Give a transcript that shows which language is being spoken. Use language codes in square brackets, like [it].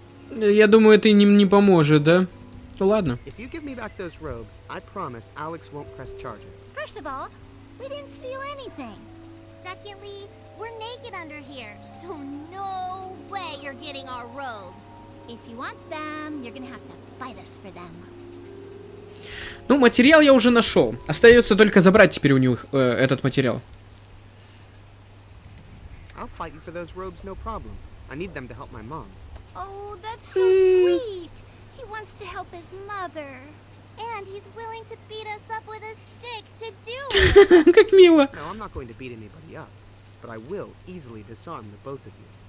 [ru] Я думаю, это им не поможет, да? Ну ладно. [en] If you give me back those robes, I promise Alex won't press charges. First of all, we didn't steal anything. Secondly, we're naked under here, so no way you're getting our robes. If you want them, you're gonna have to fight us for them. [ru] Ну, материал я уже нашел. Остается только забрать теперь у них этот материал. [en] I'll fight you for those robes, no problem. I need them to help my mom. Oh, that's so sweet. He wants to help his mother. And he's willing to beat us up with a stick to do it. [ru] Как мило. [en] No, I'm not going to beat anybody up. But I will easily disarm the both of you.